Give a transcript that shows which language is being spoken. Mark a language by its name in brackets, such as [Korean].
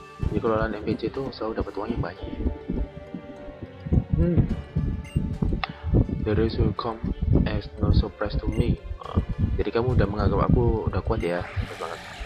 [Indonesian] Jadi kalau lawan MPC itu selalu dapat uangnya banyak. [English] The race will come as no surprise to me. [Indonesian] Jadi kamu udah menganggap aku udah kuat ya, hebat banget.